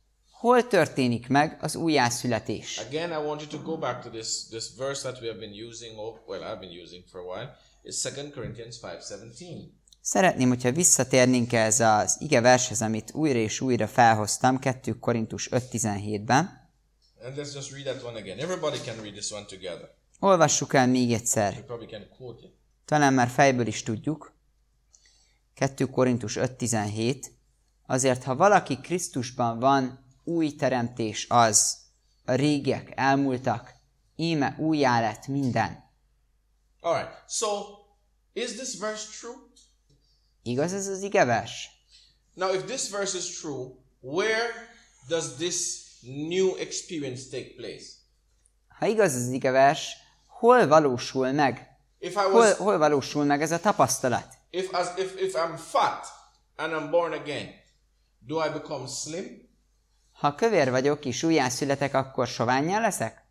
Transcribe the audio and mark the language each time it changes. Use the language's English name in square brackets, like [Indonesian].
[Hungarian] Hol történik meg az újjászületés? [English] Again, I want you to go back to this verse that we have been using, I've been using for a while, is 2 Corinthians 5:17. [Hungarian] Szeretném, hogyha visszatérnénk ez az ige vershez, amit újra és újra felhoztam 2 Korintus 5:17-ben. [English] And let's just read that one again. Everybody can read this one together. [Hungarian] Olvassuk el még egyszer. [English] You probably can quote it. [Hungarian] Talán már fejből is tudjuk. 2 Korintus 5:17. Azért, ha valaki Krisztusban van, új teremtés az. A régiek elmúltak, íme újjá lett minden. [English] All right. So, is this verse true? [Hungarian] Igaz ez az igevers? [English] Now, if this verse is true, where does this new experience take place? [Hungarian] Ha igaz az igevers, hol valósul meg? [English] If I was, [Hungarian] hol valósul meg ez a tapasztalat? [English] If I'm fat and I'm born again, do I become slim? [Hungarian] Ha kövér vagyok és újjászületek, akkor soványá leszek?